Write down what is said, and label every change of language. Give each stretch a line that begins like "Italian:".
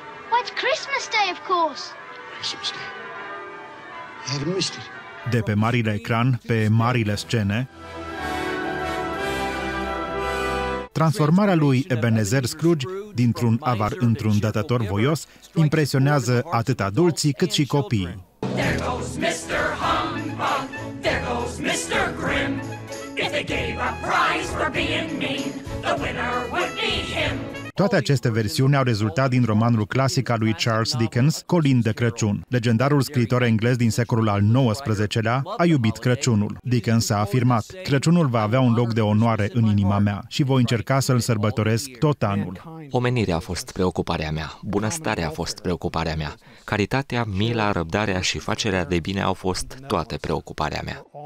English: Why, it's Christmas Day, of course. Christmas Day. I haven't missed it.
Romanian: De pe marile ecran, pe marile scene, transformarea lui Ebenezer Scrooge dintr-un avar într-un dătător voios impresionează atât adulții cât și copiii.
English: There goes Mr. Humbug, there goes Mr. Grimm. If they gave a prize for being mean, the winner would be him.
Romanian: Toate aceste versiuni au rezultat din romanul clasic al lui Charles Dickens, Colin de Crăciun. Legendarul scriitor englez din secolul al XIX-lea a iubit Crăciunul. Dickens a afirmat, Crăciunul va avea un loc de onoare în inima mea și voi încerca să-l sărbătoresc tot anul. Omenirea a fost preocuparea mea, bunăstarea a fost preocuparea mea, caritatea, mila, răbdarea și facerea de bine au fost toate preocuparea mea.